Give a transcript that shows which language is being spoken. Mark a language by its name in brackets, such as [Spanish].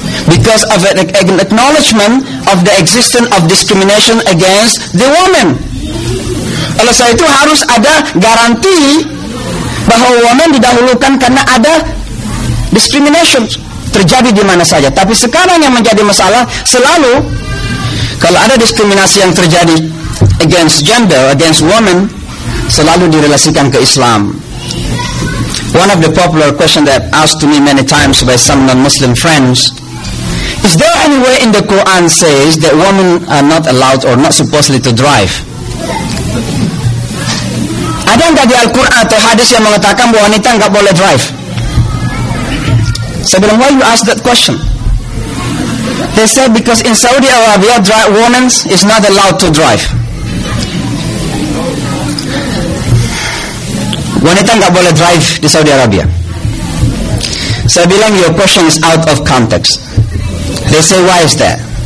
[English] Because of an acknowledgement of the existence of discrimination against the women. [Indonesian] Oleh sebab itu harus ada garanti bahwa women didahulukan karena ada discrimination terjadi di mana saja. Tapi sekarang yang menjadi masalah, selalu kalau ada diskriminasi yang terjadi [English] against gender, against women, [Indonesian] selalu direlasikan ke Islam. [English] One of the popular questions that asked to me many times by some non-Muslim friends, is there any way in the Quran says that women are not allowed or not supposedly to drive? [Indonesian] Ada enggak di Al-Quran atau hadis yang mengatakan bahwa wanita enggak boleh drive? Saya bilang, [English] why you ask that question? They said, because in Saudi Arabia, women is not allowed to drive. [Indonesian] Wanita enggak boleh drive di Saudi Arabia. Saya bilang, [English] your question is out of context. They say, why is that?